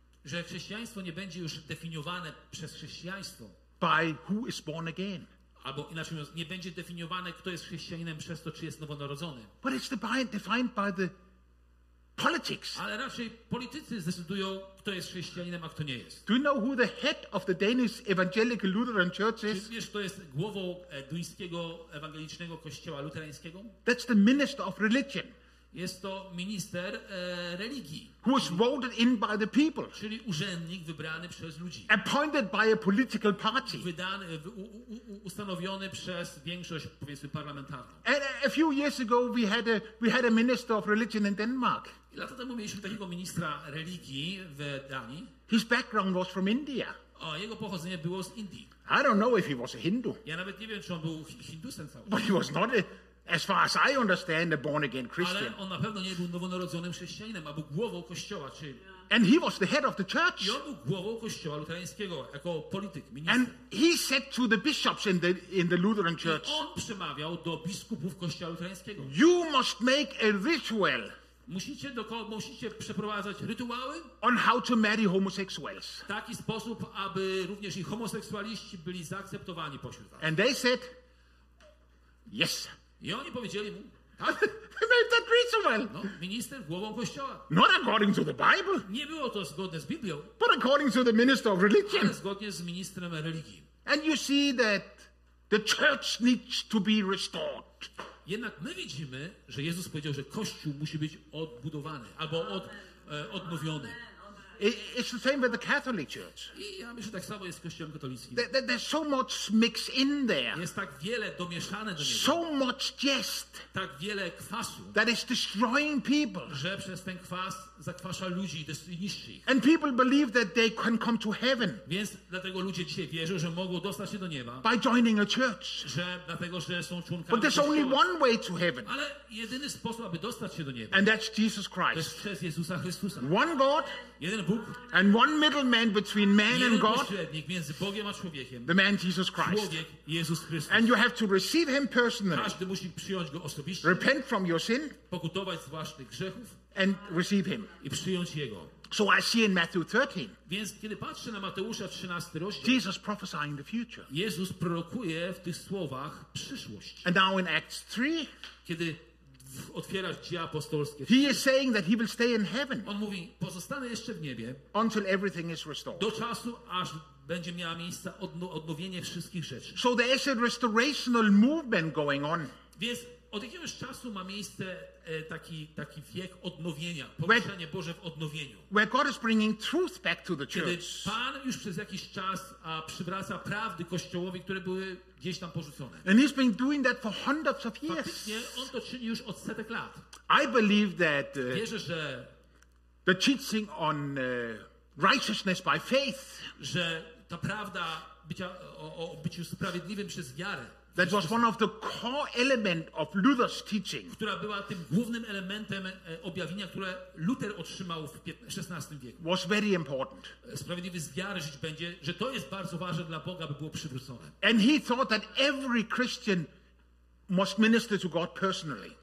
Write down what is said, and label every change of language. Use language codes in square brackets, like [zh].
[pl] Że chrześcijaństwo nie będzie już definiowane przez chrześcijaństwo. [en] By who is born again. [pl] Albo inaczej mówiąc, nie będzie definiowane, kto jest chrześcijaninem przez to, czy jest nowonarodzony. [en] But it's defined by the politics. [pl] Ale raczej politycy zdecydują, kto jest chrześcijaninem, a kto nie jest. [en] Do you know who the head of the Danish Evangelical Lutheran Church is? [pl] Czy wiesz, kto jest głową duńskiego ewangelicznego kościoła luterańskiego? [en] That's the minister of religion. [pl] Jest to minister religii. [en] Who is voted in by the people. [pl] Czyli urzędnik wybrany przez ludzi. [en] Appointed by a political party. [pl] Ustanowiony przez większość, powiedzmy, parlamentarną. [en] And a few years ago we had a minister of religion in Denmark. [pl] I lata temu mieliśmy takiego ministra religii w Danii. [en] His background was from India. [pl] O, jego pochodzenie było z Indii. [en] I don't know if he was a Hindu. [pl] Ja nawet nie wiem, czy on był hindusem cały. [en] But he was not a, as far as I understand, a born again Christian. [pl] Ale on na pewno nie był nowonarodzonym chrześcijaninem, a był głową kościoła, czyli. [en] And he was the head of the church. [pl] I on był głową kościoła luterańskiego jako polityk, minister. [en] And he said to the bishops in the Lutheran church. [pl] I on przemawiał do biskupów kościoła luterańskiego. [en] You must make a ritual. [pl] Musicie przeprowadzać rytuały. [en] On how to marry homosexuals. [pl] W taki sposób, aby również i homoseksualiści byli zaakceptowani pośród was. [en] And they said, yes. [pl] I oni powiedzieli mu, tak. [en] Ritual. [pl] No, minister głową kościoła. [en] Not according to the Bible. [pl] Nie było to zgodne z Biblią. [en] But according to the minister of religion. [pl] Ale zgodnie z ministrem religii. [en] And you see that the church needs to be restored. [pl] Jednak my widzimy, że Jezus powiedział, że kościół musi być odbudowany albo odnowiony. [en] It's the same with the Catholic Church. [pl] Ja myślę, tak samo jest z kościołem katolickim. [en] There's so much mixed in there. [pl] Jest tak wiele domieszane do niego. [en] So much [pl] jest. Tak wiele kwasu. [en] That is destroying people. [pl] Że przez ten kwas zakwasza ludzi, niszczy ich. [en] And people believe that they can come to heaven. [pl] Więc dlatego ludzie dzisiaj wierzą, że mogą dostać się do nieba. [en] By joining a church. [pl] Że dlatego, że są członkami. [en] But there's only one way to heaven. [pl] Ale jedyny sposób, aby dostać się do nieba. [en] And that's Jesus Christ. [pl] To jest przez Jezusa Chrystusa. [en] One God. And one middleman between man and God, the man Jesus Christ. And you have to receive him personally. [pl] Każdy musi przyjąć go osobiście. [en] Repent from your sin. [pl] Pokutować z własnych grzechów. [en] And receive him. [pl] I przyjąć jego. [en] So I see in Matthew 13. [pl] Więc kiedy patrzę na Mateusza 13 rozdział. [en] Jesus prophesying the future. [pl] Jezus prorokuje w tych słowach przyszłość. [en] And now in Acts 3. [pl] Kiedy otwierasz Dzieje Apostolskie. [en] He is saying that he will stay in heaven. [pl] On mówi, pozostanę jeszcze w niebie. [en] Until everything is restored. [pl] Do czasu, aż będzie miała miejsce odnowienie wszystkich rzeczy. [en] So there is a restorational movement going on. [pl] Więc od jakiegoś czasu ma miejsce taki wiek odnowienia, pomieszczenie Boże w odnowieniu. [en] Where God is bringing truth back to the church. [pl] Kiedy Pan już przez jakiś czas przywraca prawdy Kościołowi, które były gdzieś tam porzucone. [en] And he's been doing that for hundreds of years. [pl] Faktycznie on to czyni już od setek lat. [en] I believe that [pl] wierzę, że [en] the teaching on righteousness by faith, [pl] że ta prawda bycia, o byciu sprawiedliwym przez wiarę, [en] that was one of the core element of Luther's teaching. [pl] Która była tym głównym elementem objawienia, które Luther otrzymał w XVI wieku. [en] Was very important. [pl] Sprawiedliwy z wiary żyć będzie, że to jest bardzo ważne dla Boga, by było przywrócone. [en] And he thought that every Christian must minister to God personally.